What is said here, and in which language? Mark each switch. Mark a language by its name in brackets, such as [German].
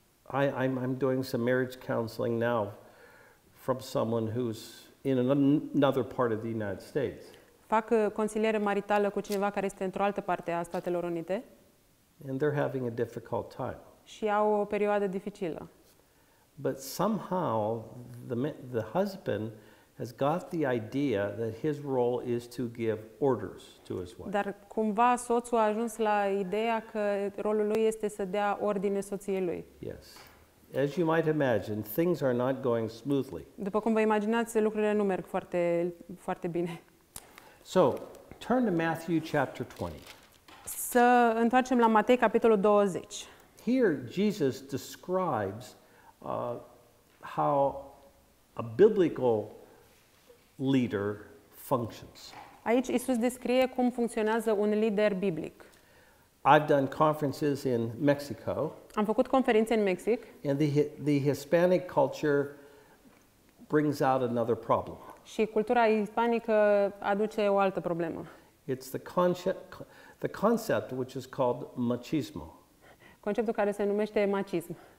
[English] I'm doing some marriage counseling now from someone who's in another part of the United States. [Romanian] Fac consiliere maritală cu cineva care este într-o altă parte a Statelor Unite. [English] And they're having a difficult time. [Romanian] Și au o perioadă dificilă. [English] But somehow the husband has got the idea that his role is to give orders to his wife. [Romanian] Dar cumva soțul a ajuns la ideea că rolul lui este să dea ordine soției lui. [English] Yes. As you might imagine, things are not going smoothly. [Romanian] După cum vă imaginați, lucrurile nu merg foarte, foarte bine. [English] So, turn to Matthew chapter 20. [Romanian] Să întoarcem la Matei capitolul 20. [English] Here Jesus describes how a biblical leader functions. [Romanian] Aici Iisus descrie cum funcționează un lider biblic. [English] I've done conferences in Mexico. [Romanian] Am făcut conferințe în Mexic. [English] And the Hispanic culture brings out another problem. [Romanian] Și cultura ispanică aduce o altă problemă. [English] It's the concept which is called machismo. [Romanian] Conceptul care se numește machism.